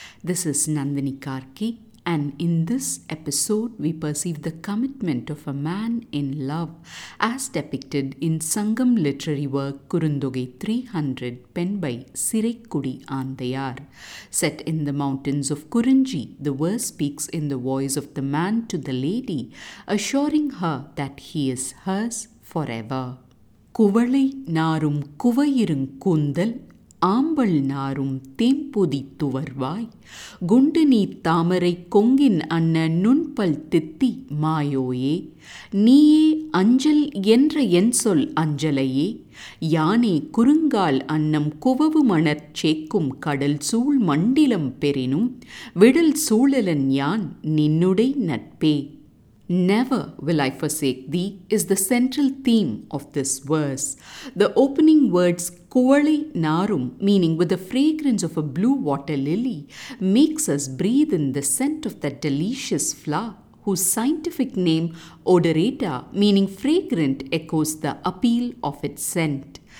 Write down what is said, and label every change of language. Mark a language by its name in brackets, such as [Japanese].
[English] This is Nandini Karki, and in this episode we perceive the commitment of a man in love as depicted in Sangam literary work Kurundogai 300, penned by Sirekudi Andayar. Set in the mountains of Kurunji, the verse speaks in the voice of the man to the lady, assuring her that he is hers forever. [Tamil] குவளை நாரும் குவையிருங் கூந்தல் ஆம்பள் நாரும் தேம்பொதி துவர்வாய் குண்டு நீர் தாமரை கொங்கின் அன்ன நுண்பல் தித்தி மாயோயே நீயே அஞ்சல் என்ற என் சொல் அஞ்சலையே யானே குறுங்கால் அன்னம் குவவு மணர் சேக்கும் கடல் சூழ் மண்டிலம் பெறினும் விடல் சூழலன் யான் நின்னுடை நட்பே. [English] Never will I forsake thee is the central theme of this verse. The opening words [Tamil] kuvalai narum, [English] meaning with the fragrance of a blue water lily, makes us breathe in the scent of that delicious flower whose scientific name odorata, meaning fragrant, echoes the appeal of its scent.